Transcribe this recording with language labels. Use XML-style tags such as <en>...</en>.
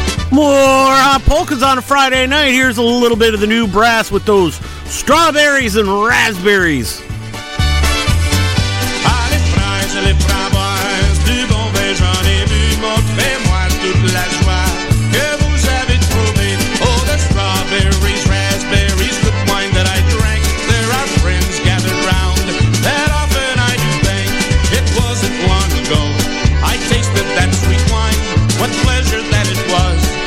<en>More hot polkas on a Friday night. Here's a little bit of the new brass with those strawberries and raspberries.</en> <fr>Allez, frais, les framboises, du bon vin, j'en ai bu, montrez-moi toute la joie que vous avez trouvée.</fr> <en>Oh, the strawberries, raspberries, the wine that I drank. There are friends gathered round that often I do think. It wasn't long ago I tasted that sweet wine. What pleasure that it was.</en>